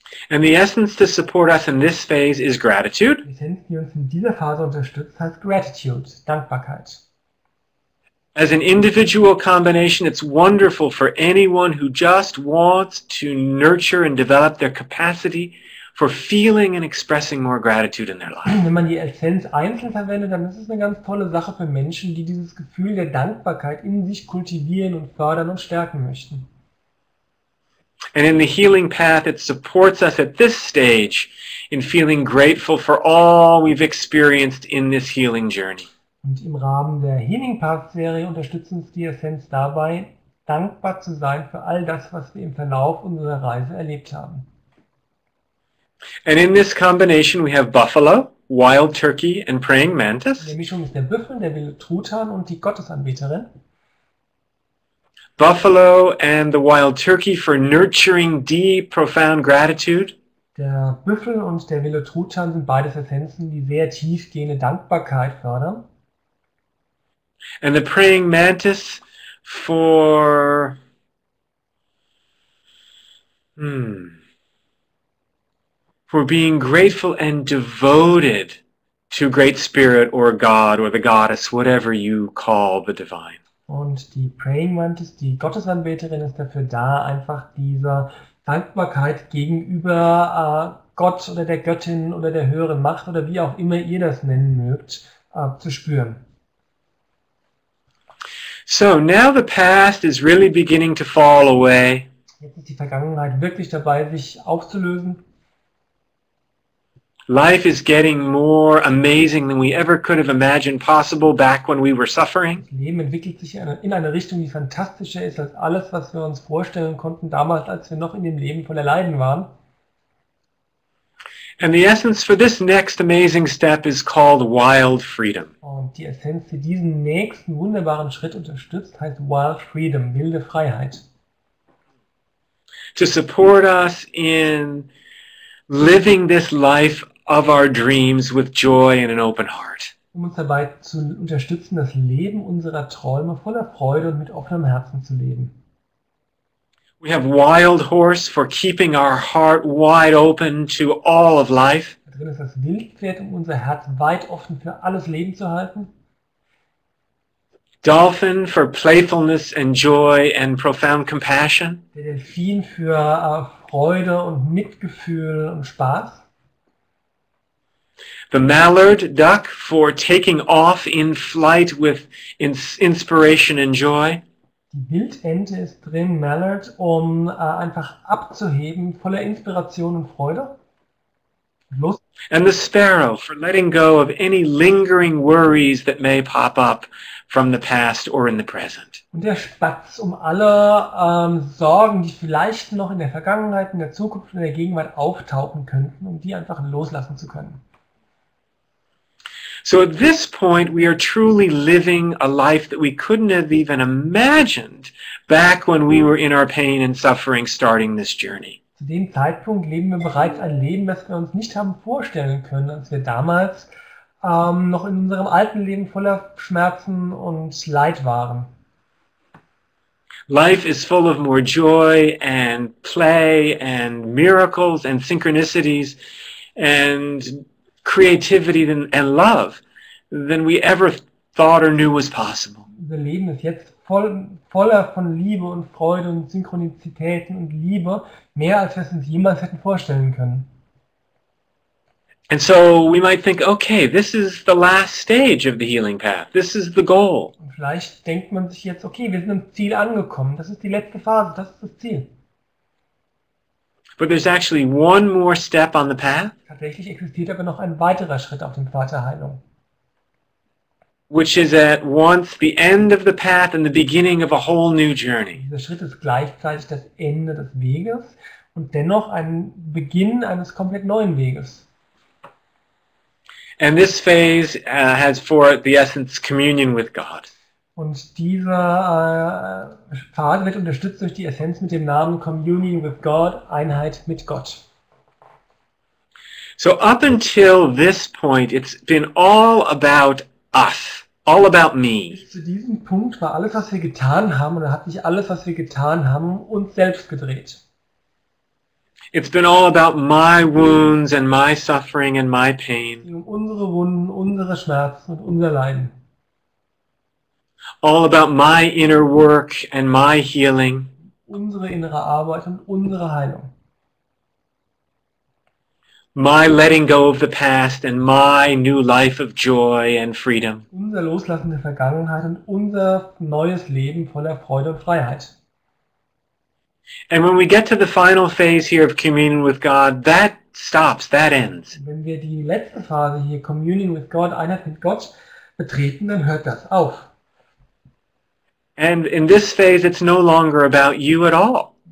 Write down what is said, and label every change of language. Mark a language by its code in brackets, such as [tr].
[en] And the essence to support us in this phase is gratitude. [de] Die Essenz, die uns in dieser Phase unterstützt, heißt Gratitude, Dankbarkeit. [en] As an individual combination, it's wonderful for anyone who just wants to nurture and develop their capacity for feeling and expressing more gratitude in their life. [de] Wenn man die Essenz einzeln verwendet, dann ist es eine ganz tolle Sache für Menschen, die dieses Gefühl der Dankbarkeit in sich kultivieren und fördern und stärken möchten. [en] And in the healing path, it supports us at this stage in feeling grateful for all we've experienced in this healing journey. [de] Und im Rahmen der Healing Path Serie unterstützt uns die Essenz dabei, dankbar zu sein für all das, was wir im Verlauf unserer Reise erlebt haben. [en] And in this combination we have buffalo, wild turkey and praying mantis. [de] Die Mischung ist der Büffel, der wilde Truthahn und die Gottesanbeterin. [en] Buffalo and the wild turkey for nurturing deep, profound gratitude. [de] Der Büffel und der wilde Truthahn sind beides Essenzen, die sehr tiefgehende Dankbarkeit fördern. [en] And the praying mantis for for being grateful and devoted to great spirit or god or the goddess, whatever you call the divine. [de] Und die praying mantis, die Gottesanbeterin, ist dafür da, einfach dieser Dankbarkeit gegenüber Gott oder der Göttin oder der höheren Macht oder wie auch immer ihr das nennen mögt, zu spüren. [en] So now the past is really beginning to fall away. [de] Jetzt ist die Vergangenheit wirklich dabei, sich aufzulösen. [en] Life is getting more amazing than we ever could have imagined possible back when we were suffering. [de] Das Leben entwickelt sich in eine Richtung, die fantastischer ist als alles, was wir uns vorstellen konnten damals, als wir noch in dem Leben voller Leiden waren. [en] And the essence for this next amazing step is called wild freedom. [de] Und die Essenz, die diesen nächsten wunderbaren Schritt unterstützt, heißt wild freedom, wilde Freiheit. [en] To support us in living this life of our dreams with joy and an open heart. [de] Um uns dabei zu unterstützen, das Leben unserer Träume voller Freude und mit offenem Herzen zu leben. [en] We have wild horse for keeping our heart wide open to all of life. [de] Da drin ist das Wildpferd, um unser Herz weit offen für alles Leben zu halten. [en] Dolphin for playfulness and joy and profound compassion. [de] Der Delfin für Freude und Mitgefühl und Spaß. [en] The mallard duck for taking off in flight with inspiration and joy. [de] Die Wildente ist drin, Mallard, um einfach abzuheben, voller Inspiration und Freude. Lust. [en] And the sparrow for letting go of any lingering worries that may pop up from the past or in the present. [de] Und der Spatz, um alle Sorgen, die vielleicht noch in der Vergangenheit, in der Zukunft, in der Gegenwart auftauchen könnten, um die einfach loslassen zu können. [en] So at this point we are truly living a life that we couldn't have even imagined back when we were in our pain and suffering starting this journey. [de] Zu dem Zeitpunkt leben wir bereits ein Leben, das wir uns nicht haben vorstellen können, als wir damals noch in unserem alten Leben voller Schmerzen und Leid waren. [en] Life is full of more joy and play and miracles and synchronicities and creativity and love than we ever thought or knew was possible. [de] Unser Leben ist jetzt voller von Liebe und Freude und Synchronizitäten und Liebe, mehr als wir es uns jemals hätten vorstellen können. [en] And so we might think, okay, this is the last stage of the healing path. This is the goal. [de] Und vielleicht denkt man sich jetzt, okay, wir sind am Ziel angekommen. Das ist die letzte Phase, das ist das Ziel. [en] But there's actually one more step on the path. [de] Tatsächlich existiert aber noch ein weiterer Schritt auf dem Pfad der Heilung. [en] Which is at once the end of the path and the beginning of a whole new journey. [de] Dieser Schritt ist gleichzeitig das Ende des Weges und dennoch ein Beginn eines komplett neuen Weges. [en] And this phase has for the essence communion with God. [de] Und dieser Pfad wird unterstützt durch die Essenz mit dem Namen Communion with God, Einheit mit Gott. [en] So up until this point, it's been all about us, all about me. [de] Bis zu diesem Punkt war alles, was wir getan haben, oder hat sich alles, was wir getan haben, uns selbst gedreht. [en] It's been all about my wounds and my suffering and my pain. [de] Um unsere Wunden, unsere Schmerzen und unser Leiden. [en] All about my inner work and my healing. [de] Unsere innere Arbeit und unsere Heilung. [en] My letting go of the past and my new life of joy and freedom. [de] Unser Loslassen der Vergangenheit und unser neues Leben voller Freude und Freiheit. [en] And when we get to the final phase here of communion with God, that stops, that ends. [de] Wenn wir die letzte Phase hier, Communion with God, Einheit mit Gott, betreten, dann hört das auf. [en] And in this phase, it's no longer about you at all.